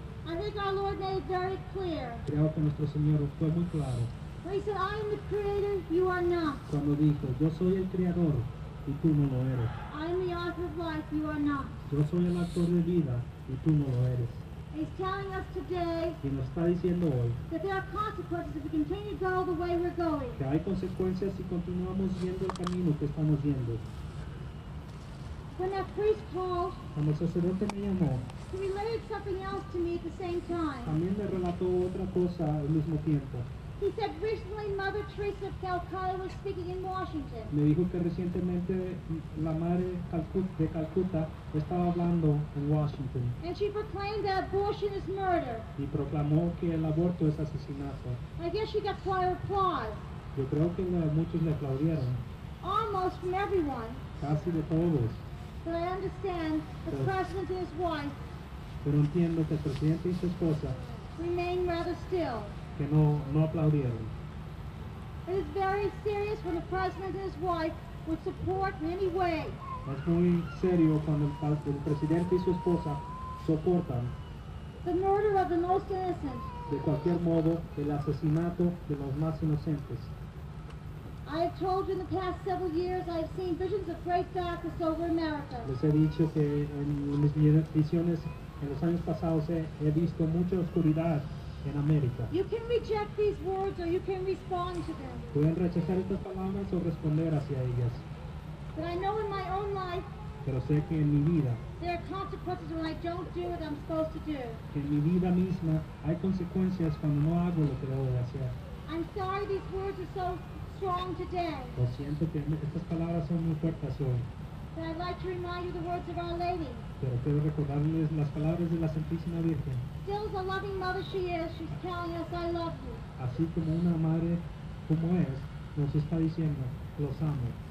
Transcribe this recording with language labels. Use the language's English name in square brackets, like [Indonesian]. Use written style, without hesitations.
[English] I think our Lord made it very clear. [Spanish] Creo que nuestro Señor fue muy claro. [English] When he said, I am the creator, you are not. [Spanish] Cuando dijo, yo soy el creador, y tú no lo eres. [English] I am the author of life, you are not. [Spanish] Yo soy el autor de vida, y tú no lo eres. [English] He's telling us today. [Spanish] Y nos está diciendo hoy. [English] That there are consequences if we continue to go the way we're going. [Spanish] Que hay consecuencias si continuamos viendo el camino que estamos viendo. [English] When that priest called. [Spanish] Cuando el sacerdote me llamó. [English] He related something else to me at the same time. [Spanish] También me relató otra cosa al mismo tiempo. [English] He said recently Mother Teresa of Calcutta was speaking in Washington. [Spanish] Me dijo que recientemente la madre de Calcuta estaba hablando en Washington. [English] And she proclaimed that abortion is murder. [Spanish] Y proclamó que el aborto es asesinato. [English] I guess she got quite applause. [Spanish] Yo creo que muchos le aplaudieron. [English] Almost from everyone. [Spanish] Casi de todos. [English] But I understand the president and his wife. [Spanish] Pero entiendo que el presidente y su esposa. [English] Remain rather still. [Spanish] Que no aplaudieron. [English] It is very serious when the president and his wife would support in any way. [Spanish] Es muy serio cuando el presidente y su esposa soportan. [English] The murder of the most innocent. [Spanish] De cualquier modo, el asesinato de los más inocentes. [English] I have told you in the past several years I have seen visions of great darkness over America. [Spanish] Les he dicho que en mis visiones en los años pasados he visto mucha oscuridad en América. [English] You can reject these words or you can respond to them. [Spanish] Pueden rechazar estas palabras o responder hacia ellas. [English] But I know in my own life. [Spanish] Pero sé que en mi vida. [English] There are consequences when I don't do what I'm supposed to do. [Spanish] Que en mi vida misma hay consecuencias cuando no hago lo que debo de hacer. [English] I'm sorry these words are so strong today. [Spanish] Lo siento que estas palabras son muy fuertes hoy. [English] But I'd like to remind you the words of Our Lady. [Spanish] Pero quiero recordarles las palabras de la Santísima Virgen. [English] Still as a loving mother she is, she's telling us I love you. [Spanish] Así como una madre como es, nos está diciendo, los amo.